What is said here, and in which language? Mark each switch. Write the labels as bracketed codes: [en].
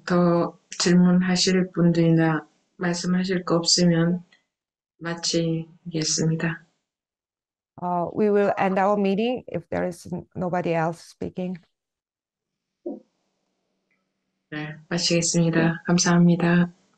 [ko] 더 질문하실 분들이나 말씀하실 거 없으면 마치겠습니다. [en] We will end our meeting if there is nobody else speaking. [ko] 네, 마치겠습니다. 감사합니다.